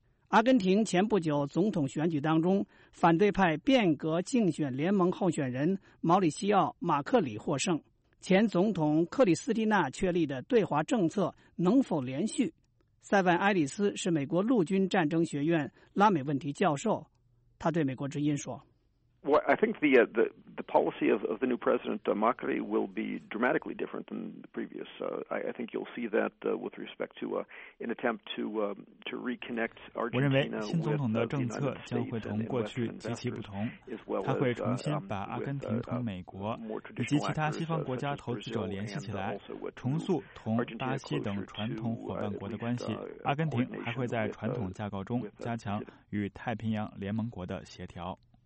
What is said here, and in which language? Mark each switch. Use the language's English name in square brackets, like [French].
[Chinese] 阿根廷前不久总统选举当中，反对派变革竞选联盟候选人毛里西奥·马克里获胜，前总统克里斯蒂娜确立的对华政策能否连续？塞万·埃里斯是美国陆军战争学院拉美问题教授，他对美国之音说， [English] Well, I think the policy of the new president Macri will be dramatically different than the previous. I think you'll see that with respect to an attempt to reconnect Argentina with the United States. [Chinese] 我认为新总统的政策将会同过去极其不同，他会重新把阿根廷同美国以及其他西方国家投资者联系起来，重塑同巴西等传统伙伴国的关系。阿根廷还会在传统架构中加强与太平洋联盟国的协调。